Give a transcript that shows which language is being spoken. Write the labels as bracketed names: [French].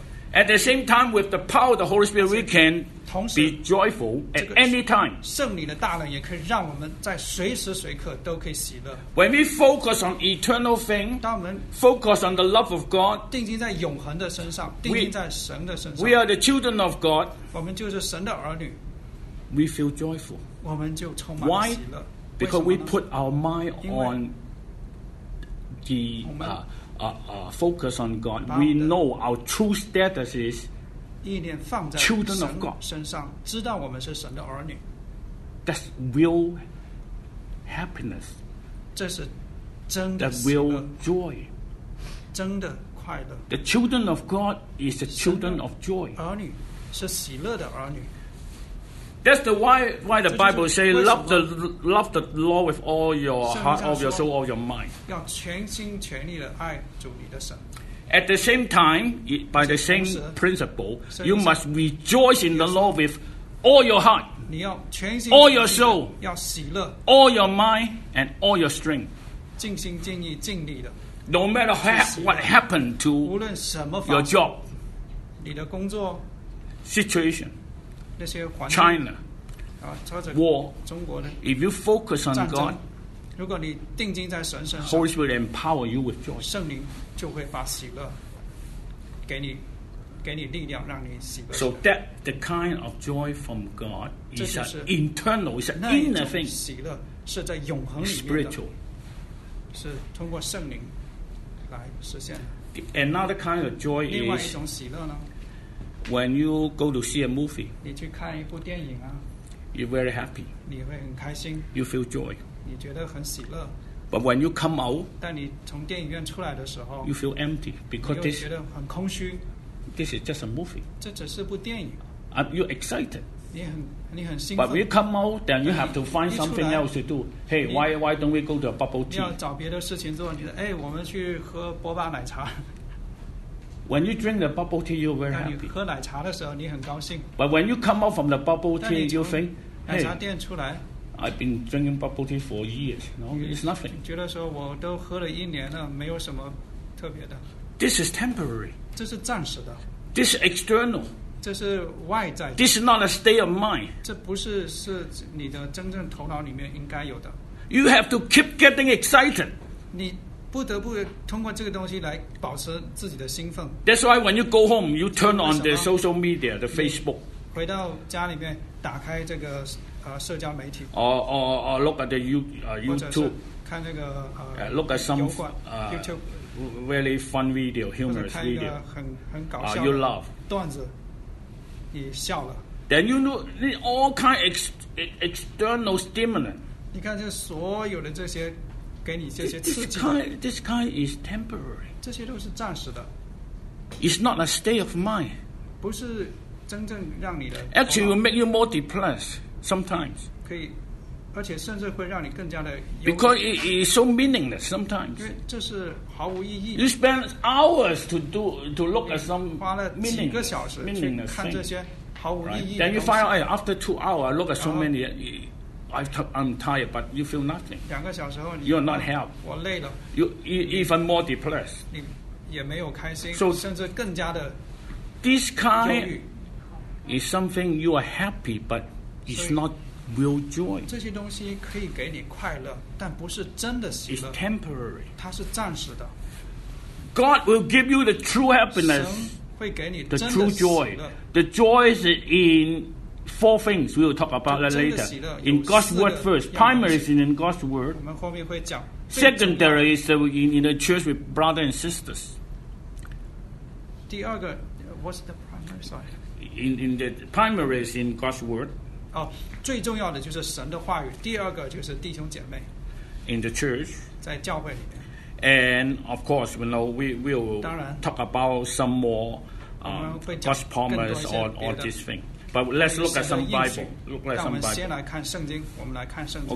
[English] At the same time, with the power of the Holy Spirit, we can be joyful at any time. [Chinese] 圣灵的大能也可以让我们在随时随刻都可以喜乐。 [English] When we focus on eternal things, [Chinese] 当我们 [English] focus on the love of God, [Chinese] 定睛在永恒的身上，定睛在神的身上。 [English] We are the children of God. [Chinese] 我们就是神的儿女。 [English] We feel joyful. [Chinese] 我们就充满喜乐。 [English] Why? Because we put our mind on the. Focus on God. We know our true status is children of God. [Chinese] 身上知道我们是神的儿女。 [English] That's real happiness. [Chinese] 这是真的。 [English] That real joy. [Chinese] 真的快乐。 [English] The children of God is the children of joy. [Chinese] 儿女是喜乐的儿女。 [English] That's the why the Bible says love the Lord with all your heart, all your soul, all your mind. [Chinese] 要全心全力的爱主你的神。 [English] At the same time, by the same principle, you must rejoice in the Lord with all your heart, [Chinese] 你要全心全力 [English] all your soul, [Chinese] 要喜乐 [English] all your mind and all your strength. [Chinese] 尽心尽意尽力的。 [English] No matter what happened to [Chinese] 无论什么发生 [English] your job, [Chinese] 你的工作 [English] situation. [Chinese] 那些环境 [English] China, war, [Chinese] 中国的 [English] if you focus on God, [Chinese] 如果你定睛在神身上 [English] Holy Spirit empower you with joy. [Chinese] 圣灵就会把喜乐给你力量让你喜乐。 [English] So that the kind of joy from God is an internal, is an inner thing. [Chinese] 喜乐是在永恒里面的 [English] spiritual, [Chinese] 是通过圣灵来实现的。 [English] Another kind of joy is [Chinese] 另外一种喜乐呢。 [English] When you go to see a movie, [Chinese] 你去看一部电影啊, [English] you're very happy. [Chinese] 你会很开心, [English] you feel joy. [Chinese] 你觉得很喜乐, [English] but when you come out, [Chinese] 但你从电影院出来的时候, [English] you feel empty because [Chinese] 你又觉得很空虚, [English] this is just a movie. [Chinese] 这只是部电影, [English] you're excited. [Chinese] 你很兴奋, [English] but when you come out, then you have to find something else to do. Hey, why don't we go to a bubble tea? [Chinese] 你要找别的事情做, 你说, 哎, 我们去喝波霸奶茶。 [English] When you drink the bubble tea, you're very happy. [Chinese] 你喝奶茶的时候，你很高兴。 [English] But when you come out from the bubble tea, you think, hey, [Chinese] 奶茶店出来 [English] I've been drinking bubble tea for years. No, it's nothing. [Chinese] 觉得说我都喝了一年了，没有什么特别的。 [English] This is temporary. [Chinese] 这是暂时的。 [English] This is external. [Chinese] 这是外在的。 [English] This is not a state of mind. [Chinese] 这不是你的真正头脑里面应该有的。 [English] You have to keep getting excited. [Chinese] 你不得不通过这个东西来保持自己的兴奋。 [English] That's why when you go home, you turn on the social media, the Facebook. [Chinese] 回到家里面，打开这个社交媒体。 [English] Or look at the YouTube, [Chinese] 看那个 [English] look at some YouTube really fun video, humorous video. [Chinese] 很搞笑的 [English] you laugh. [Chinese] 段子，你笑了。 [English] Then you know all kind external stimulant. [Chinese] 你看这所有的这些，给你这些刺激。 [English] This kind is temporary. [Chinese] 这些都是暂时的。 [English] It's not a state of mind. [Chinese] 不是真正让你的。 [English] Actually, will make you more depressed sometimes. [Chinese] 可以。而且甚至会让你更加的 [English] Because it is so meaningless sometimes. [Chinese] 因为这是毫无意义。 [English] You spend hours to look at some meaningless things. [Chinese] 花了几个小时去看这些毫无意义的东西。 [English] Then you find out after 2 hours, I look at so many, I'm tired, but you feel nothing. [Chinese] 两个小时后你 [English] You're not helped. [Chinese] 我累了。 [English] You even more depressed. [Chinese] 你也没有开心。 [English] So, [Chinese] 甚至更加的 [English] This kind is something you are happy, but it's not. Will joy. [Chinese] 这些东西可以给你快乐，但不是真的喜乐。 [English] It's temporary. [Chinese] 它是暂时的。 [English] God will give you the true happiness. [Chinese] 神会给你真的喜乐。 [English] The true joy. The joy is in four things. We will talk about that later. In God's word first. Primary is in God's word. [Chinese] 我们后面会讲。 [English] Secondary is in the church with brothers and sisters. [Chinese] 第二个 [English] what's the primary side? In the primary is in God's word. [Chinese] 最重要的就是神的话语，第二个就是弟兄姐妹。 [English] In the church, [Chinese] 在教会里面。 [English] And of course, you know, we will talk about some more God's promise or this thing. But let's look at some Bible. Look at some Bible. [Chinese] 我们先来看圣经，我们来看圣经。